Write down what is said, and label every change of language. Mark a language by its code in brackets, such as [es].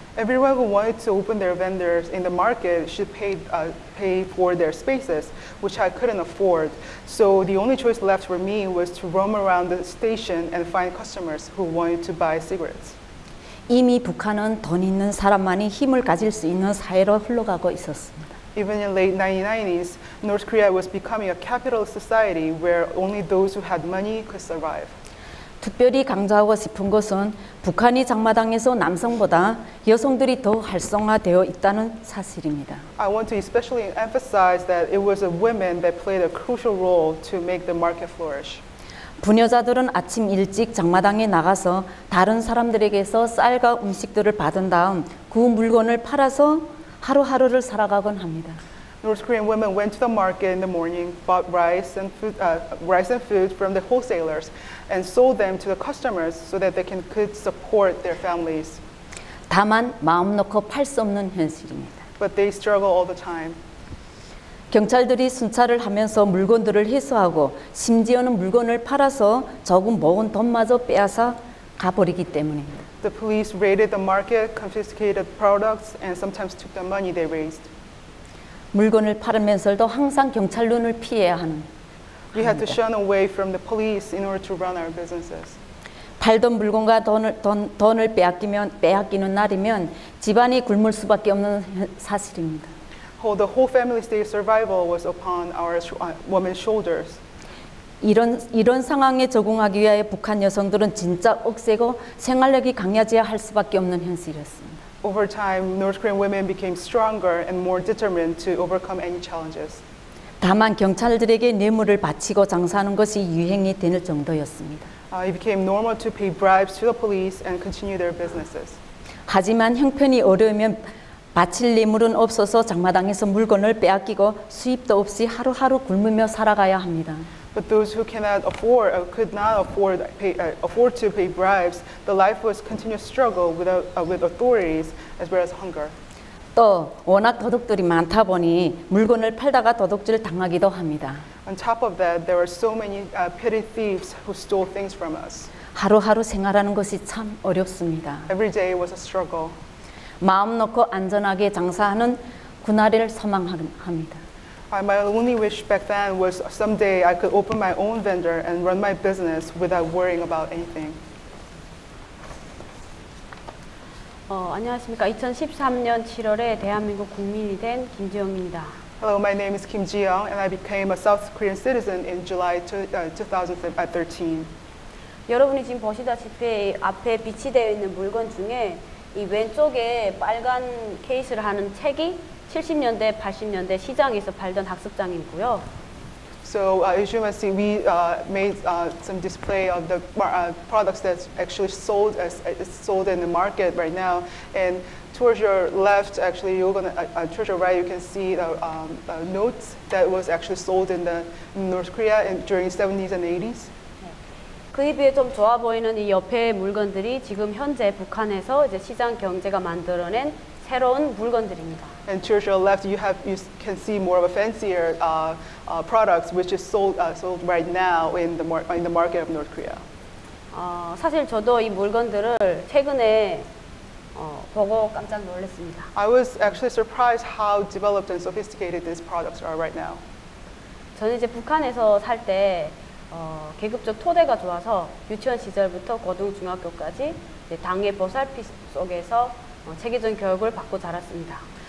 [en] Everyone who wanted to open their vendors in the market should pay for their spaces, which I couldn't afford. So the only choice left for me was to roam around the station and find customers who wanted to buy cigarettes. [ko] 이미 북한은 돈 있는 사람만이 힘을 가질 수 있는 사회로 흘러가고 있었습니다. [en] Even in late 1990s, North Korea was becoming a capitalist society where only those who had money could survive. [ko] 특별히 강조하고 싶은 것은 북한이 장마당에서 남성보다 여성들이 더 활성화되어 있다는 사실입니다. [en] I want to especially emphasize that it was the women that played a crucial role to make the market flourish. [ko] 부녀자들은 아침 일찍 장마당에 나가서 다른 사람들에게서 쌀과 음식들을 받은 다음 그 물건을 팔아서 하루하루를 살아가곤 합니다. [en] North Korean women went to the market in the morning, bought rice and food from the wholesalers, and sold them to the customers so that they could support their families. [ko] 다만 마음 놓고 팔 수 없는 현실입니다. [en] But they struggle all the time. [ko] 경찰들이 순찰을 하면서 물건들을 회수하고 심지어는 물건을 팔아서 조금 모은 돈마저 빼앗아 가버리기 때문입니다. [en] The police raided the market, confiscated products, and sometimes took the money they raised. [ko] 물건을 팔으면서도 항상 경찰 눈을 피해야 하는. [en] We had to shun away from the police in order to run our businesses. [ko] 팔던 물건과 돈을 빼앗기는 날이면 집안이 굶을 수밖에 없는 사실입니다. [en] The whole family's day of survival was upon our women's shoulders. [ko] 이런 상황에 적응하기 위해 북한 여성들은 진짜 억세고 생활력이 강해져야 할 수밖에 없는 현실이었습니다. [en] Over time, North Korean women became stronger and more determined to overcome any challenges. [ko] 다만 경찰들에게 뇌물을 바치고 장사하는 것이 유행이 되는 정도였습니다. [en] It became normal to pay bribes to the police and continue their businesses. [ko] 하지만 형편이 어려우면 바칠 뇌물은 없어서 장마당에서 물건을 빼앗기고 수입도 없이 하루하루 굶으며 살아가야 합니다. [en] But those who cannot afford or could not afford, afford to pay bribes, the life was continuous struggle with authorities as well as hunger. [ko] 또 워낙 도둑들이 많다 보니 물건을 팔다가 도둑질 당하기도 합니다. [en] On top of that, there were so many petty thieves who stole things from us. [ko] 하루하루 생활하는 것이 참 어렵습니다. [en] Every day was a struggle. [ko] 마음 놓고 안전하게 장사하는 군아리를 소망합니다. [en] My only wish back then was someday I could open my own vendor and run my business without worrying about anything. [ko] 안녕하십니까. 2013년 7월에 대한민국 국민이 된 김지영입니다. [en] Hello, my name is Kim Ji-young and I became a South Korean citizen in July 2013. [ko] 여러분이 지금 보시다시피 앞에 비치되어 있는 물건 중에 이 왼쪽에 빨간 케이스를 하는 책이 70년대, 80년대 시장에서 팔던 학습장이고요. [en] So as you must see, we made some display of the products that's actually sold as it's sold in the market right now. And towards your left, actually, you're gonna towards your right, you can see the notes that was actually sold in the North Korea in, during 70s and 80s. [ko] 그에 비해 좀 좋아 보이는 이 옆에 물건들이 지금 현재 북한에서 이제 시장 경제가 만들어낸 새로운 물건들입니다. [en] And towards your left, you have you can see more of a fancier products which is sold sold right now in the market of North Korea. [ko] 사실 저도 이 물건들을 최근에 보고 깜짝 놀랐습니다. [en] I was actually surprised how developed and sophisticated these products are right now. [ko] 저는 이제 북한에서 살 때 계급적 토대가 좋아서 유치원 시절부터 고등중학교까지 당의 보살핌 속에서 체계적인 교육을 받고 자랐습니다.